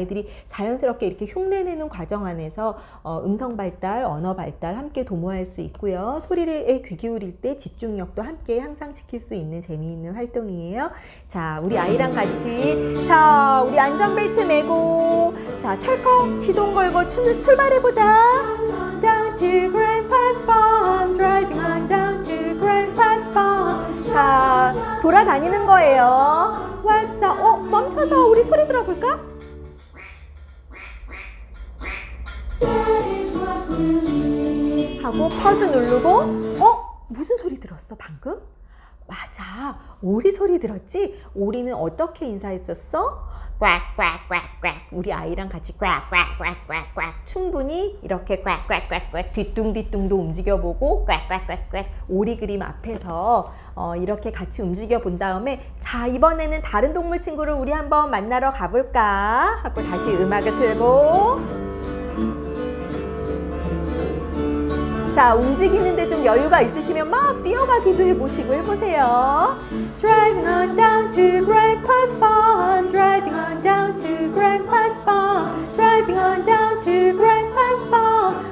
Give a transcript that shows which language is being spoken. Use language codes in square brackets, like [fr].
[ko] 아이들이 자연스럽게 이렇게 흉내내는 과정 안에서 음성 발달, 언어 발달 함께 도모할 수 있고요. 소리에 귀 기울일 때 집중력도 함께 향상시킬 수 있는 재미있는 활동이에요. 자, 우리 아이랑 같이 자, 우리 안전벨트 메고 자, 철컥 시동 걸고 출발해보자. [en] Down to Grandpa's farm, driving on down to Grandpa's farm. [ko] 자, 돌아다니는 거예요. 왔어. 멈춰서 우리 소리 들어볼까? Really 하고 퍼즈 누르고 무슨 소리 들었어 방금? 맞아, 오리 소리 들었지? 오리는 어떻게 인사했었어? 꽉꽉꽉꽉 우리 아이랑 같이 꽉꽉꽉꽉꽉 충분히 이렇게 꽉꽉꽉꽉 뒤뚱뒤뚱도 움직여보고 꽉꽉꽉꽉 오리 그림 앞에서 이렇게 같이 움직여본 다음에 자, 이번에는 다른 동물 친구를 우리 한번 만나러 가볼까? 하고 다시 음악을 틀고 자, 움직이는데 좀 여유가 있으시면 막 뛰어가기도 해보시고 해보세요. [en] Driving on down to Grandpa's farm, driving on down to Grandpa's farm, driving on down to Grandpa's farm.